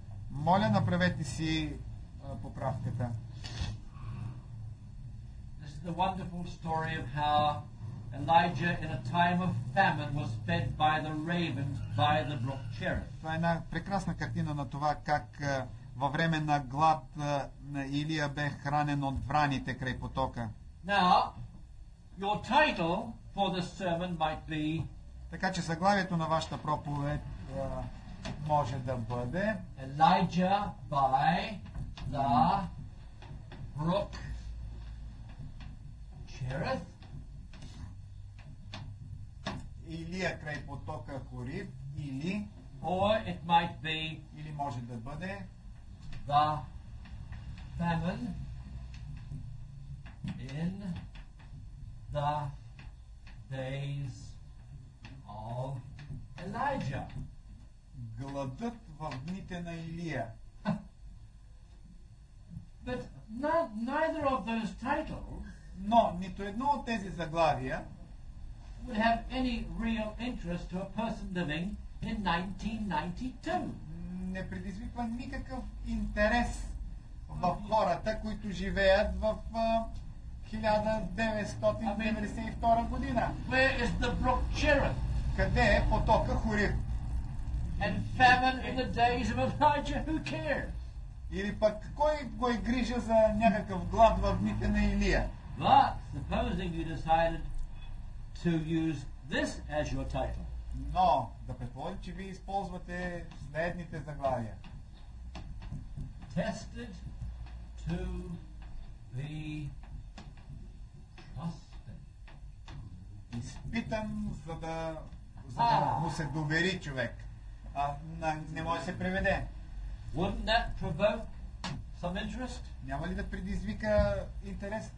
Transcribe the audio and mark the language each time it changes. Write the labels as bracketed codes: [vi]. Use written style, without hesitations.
[bg] Моля, направете си поправката. [en] This is the wonderful story of how Elijah in a time of famine was fed by the ravens by the brook Cherith. [bg] Това е една прекрасна картина на това как във време на глад на Илия бе хранен от враните край потока. [en] Now, your title for this sermon might be... [bg] Така че заглавието на вашата проповед може да бъде [en] Elijah by the brook Cherith. [bg] Илия край потока Хорив или... [en] Or it might be... [bg] Или може да бъде [en] The famine in the days of Elijah. [bg] Гладът в дните на Илия. [en] But not, neither of those titles. [bg] Но нито едно от тези заглавия [en] would have any real interest to a person living in 1992. [bg] Не предизвиква никакъв интерес в хората, които живеят в 1992 година. [en] Where is the brook Cherith? [bg] Къде е потока Хорив? [en] And famine in the days of Elijah, who cares? [bg] Или пък кой го е грижа за някакъв глад в дните на Илия? [en] But supposing you decided to use this as your title. [bg] Но, да предположим, че вие използвате следните заглавия. [en] Tested to be trusted. [bg] Изпитан, за да му се довери човек. Не може се преведе. [en] Wouldn't that provoke some interest? [bg] Няма ли да предизвика интерес?